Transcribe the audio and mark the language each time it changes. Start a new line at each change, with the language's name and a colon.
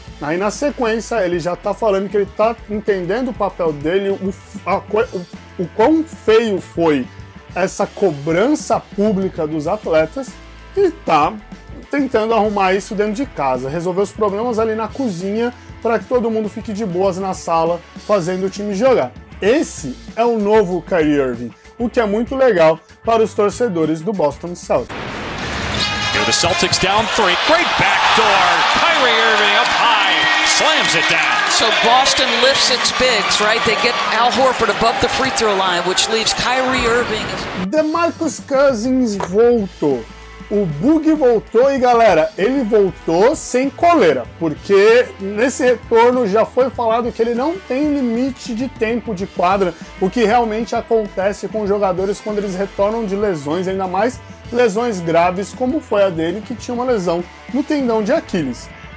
Portuguese: Aí na sequência ele já tá falando que ele tá entendendo o papel dele, o quão feio foi essa cobrança pública dos atletas e tá tentando arrumar isso dentro de casa, resolver os problemas ali na cozinha para que todo mundo fique de boas na sala fazendo o time jogar. Esse é o novo Kyrie Irving, o que é muito legal para os torcedores do Boston Celtics.
English: The Celtics down three, great backdoor, Kyrie Irving up high, slams it down. So Boston lifts its bigs, right? They get Al Horford above the free throw line, which leaves Kyrie Irving.
Portuguese: DeMarcus Cousins voltou. O Boogie voltou e, galera, ele voltou sem coleira, porque nesse retorno já foi falado que ele não tem limite de tempo de quadra, o que realmente acontece com jogadores quando eles retornam de lesões, ainda mais lesões graves, como foi a dele, que tinha uma lesão no tendão de Aquiles.